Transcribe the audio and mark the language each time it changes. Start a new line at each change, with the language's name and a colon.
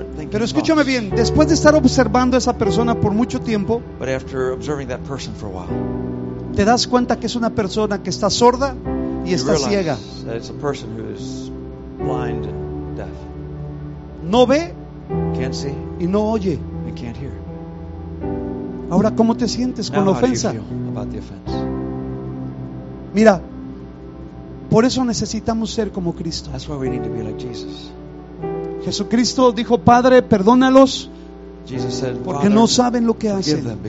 Spanish: Pero escúchame bien, después de estar observando a esa persona por mucho tiempo,
English: but after observing that person for a while,
Spanish: te das cuenta que es una persona que está sorda y está ciega.
English: It's a person who is blind and deaf.
Spanish: No ve,
English: can't see,
Spanish: y no oye,
English: and can't hear.
Spanish: Ahora, ¿cómo te sientes con
English: now,
Spanish: la ofensa?
English: How do you feel about the offense?
Spanish: Mira, por eso necesitamos ser como Cristo.
English: That's why we need to be like Jesus.
Spanish: Jesucristo dijo, Padre, perdónalos porque no saben lo que hacen.